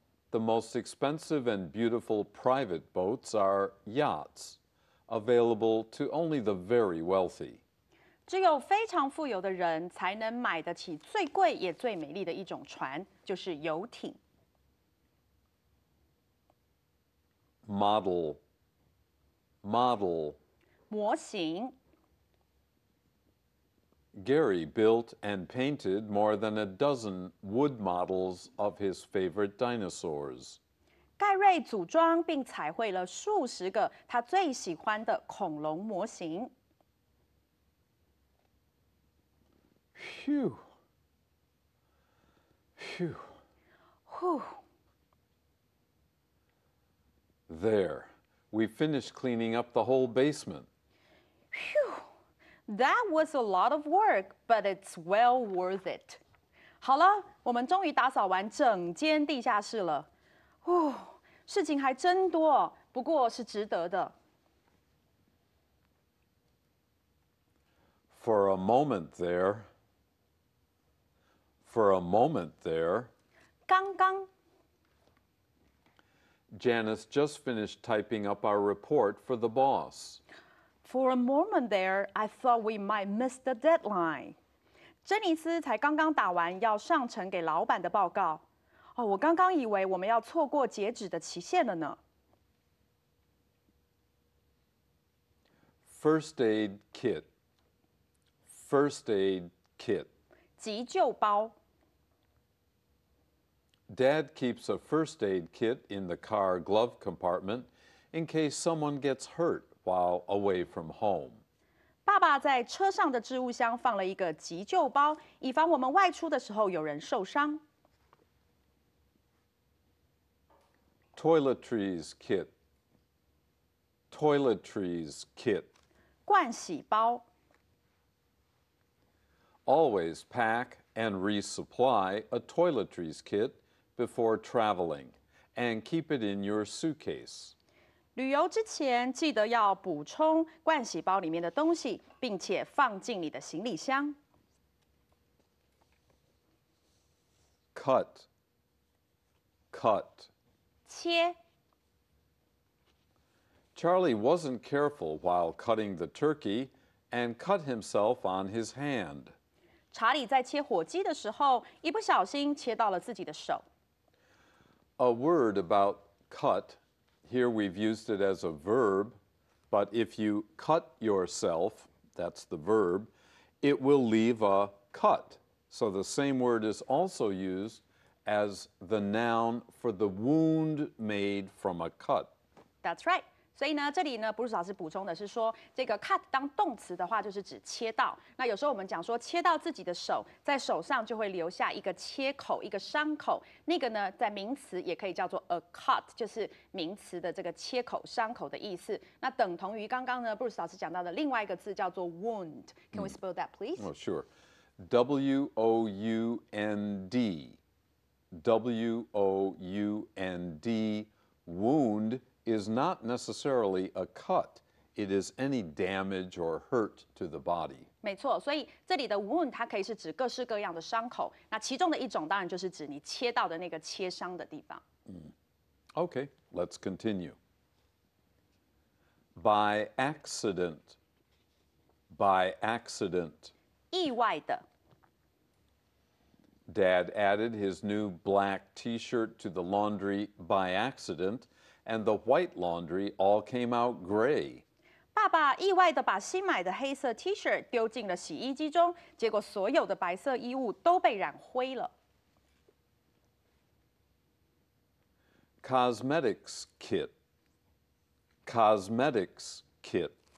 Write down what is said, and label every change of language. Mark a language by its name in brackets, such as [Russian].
[English] The most expensive and beautiful private boats are yachts, available to only the very wealthy. [Chinese] 只有非常富有的人才能买得起最贵也最美丽的一种船，就是游艇。 [English] Model, model, [Chinese] 模型。 [English] Gary built and painted more than a dozen wood models of his favorite dinosaurs. [Chinese] 盖瑞组装并彩绘了数十个他最喜欢的恐龙模型。 [English] Phew. Phew. Whew. There. We finished cleaning up the whole basement. Phew. That was a lot of work, but it's well worth it. [Chinese] 好了，我们终于打扫完整间地下室了。哦，事情还真多，不过是值得的。 [English] For a moment there. For a moment there. [Chinese] 刚刚。 [English] Janice just finished typing up our report for the boss. For a moment there, I thought we might miss the deadline. [Chinese] 珍妮斯才刚刚打完要上呈给老板的报告。哦，我刚刚以为我们要错过截止的期限了呢。 [English] First aid kit. First aid kit. [Chinese] 急救包。 [English] Dad keeps a first aid kit in the car glove compartment in case someone gets hurt while away from home. [Chinese] 爸爸在车上的置物箱放了一个急救包，以防我们外出的时候有人受伤。 [English] Toiletries kit. Toiletries kit. [Chinese] 盥洗包。 [English] Always pack and resupply a toiletries kit. Before traveling, and keep it in your suitcase. [Chinese] 旅游之前记得要补充盥洗包里面的东西，并且放进你的行李箱。 [English] Cut, cut. [Chinese] 切。 [English] Charlie wasn't careful while cutting the turkey and cut himself on his hand. [Chinese] 查理在切火鸡的时候，一不小心切到了自己的手。 [English] a word about cut. Here we've used it as a verb, but if you cut yourself, that's the verb, it will leave a cut. So the same word is also used as the noun for the wound made from a cut. That's right. [Chinese] 所以呢，这里呢，布鲁斯老师补充的是说，这个 cut 当动词的话，就是指切到。那有时候我们讲说，切到自己的手，在手上就会留下一个切口，一个伤口。那个呢，在名词也可以叫做 a cut， 就是名词的这个切口、伤口的意思。那等同于刚刚呢，布鲁斯老师讲到的另外一个字叫做 wound。 [English] Can we spell that, please? Oh, sure. W-O-U-N-D. W-O-U-N-D. Wound. Is not necessarily a cut. It is any damage or hurt to the body. [Chinese] 没错，所以这里的 wound 它可以是指各式各样的伤口。那其中的一种当然就是指你切到的那个切伤的地方。 [English] Okay, let's continue. By accident. By accident. [Chinese] 意外的。 [English] Dad added his new black T-shirt to the laundry by accident. And the white laundry all came out gray. [Chinese] 爸爸意外地把新买的黑色 T-shirt 丢进了洗衣机中，结果所有的白色衣物都被染灰了。 [English] Cosmetics kit. Cosmetics kit.